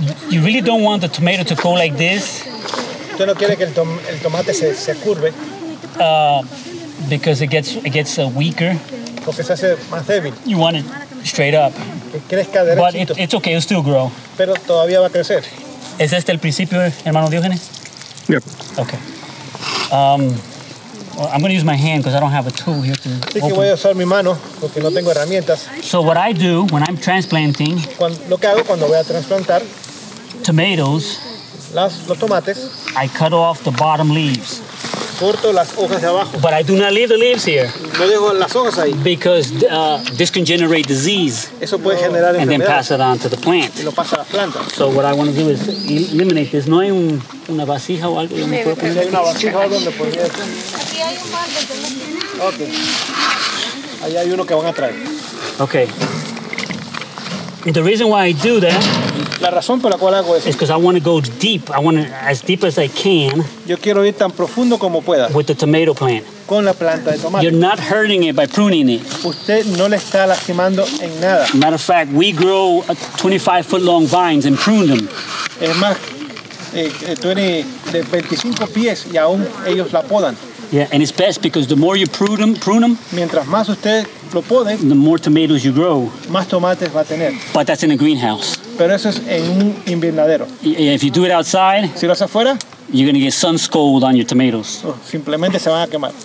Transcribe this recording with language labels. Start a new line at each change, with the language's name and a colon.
English: You really don't want the tomato to go like this.
Spanish: ¿Tú no quieres que el tomate se curve?
English: Because it gets weaker.
Spanish: Porque se hace más débil.
English: You want it straight up.
Spanish: Crezca
English: derechito. But it's okay, it'll still grow.
Spanish: Pero todavía va a crecer. ¿Es este el principio, hermano Diógenes?
English: Yep. Okay. I'm going to use my hand because I don't have a tool here to open.
Spanish: Así que voy a usar mi mano porque no tengo herramientas.
English: So what I do when I'm transplanting,
Spanish: lo que hago cuando voy a transplantar
English: tomatoes,
Spanish: los tomates,
English: I cut off the bottom leaves.
Spanish: Corto las hojas de abajo.
English: But I do not leave the leaves here.
Spanish: No dejo las hojas ahí.
English: Because this can generate disease.
Spanish: Eso puede generar enfermedad.
English: And then pass it on to the plant.
Spanish: Y lo pasa a las plantas.
English: So what I want to do is eliminate this.
Spanish: ¿No hay una vasija o algo? Hay una vasija donde podría estar. Aquí hay un vaso, ¿no tienes? Ok. Ahí hay uno que van a traer.
English: Okay. And the reason why I do that,
Spanish: la razón por la cual hago eso,
English: is because I want to go deep. I want to, as deep as I can.
Spanish: Yo quiero ir tan profundo como pueda.
English: With the tomato plant.
Spanish: Con la planta de tomate.
English: You're not hurting it by pruning it.
Spanish: Usted no le está lastimando en nada.
English: Matter of fact, we grow 25-foot-long vines and prune them.
Spanish: Es más, tiene de 25 pies y aún ellos la podan.
English: Yeah, and it's best because the more you prune them,
Spanish: mientras más usted lo pode,
English: the more tomatoes you grow.
Spanish: Más tomates va a tener.
English: But that's in a greenhouse.
Spanish: Pero eso es en un invernadero.
English: If you do it outside,
Spanish: si lo hace afuera,
English: you're going to get sun scald on your tomatoes.
Spanish: Simplemente se van a quemar.